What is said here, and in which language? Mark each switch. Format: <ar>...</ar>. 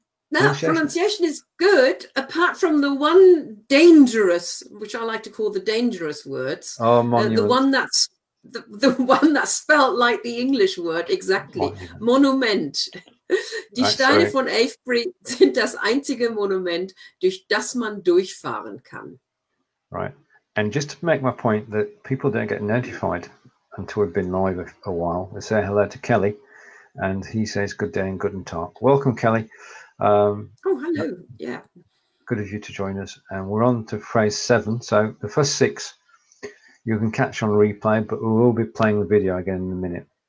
<en>Now, pronunciation is good, apart from the one dangerous, which I like to call the dangerous words. Oh, monument. The one that's spelt like the English word, exactly. Monument.</en> <de>Die Steine von Avebury sind das einzige Monument, durch das man durchfahren kann.</de> <en>Right. And just to make my point that people don't get notified until we've been live a while, I say hello to Kelly, and he says good day and</en> <de>guten Tag.</de> <en>Welcome, Kelly. Hello. Yeah. Good of you to join us. And we're on to phrase 7. So the first 6 you can catch on replay, but we will be playing the video again in a minute.</en>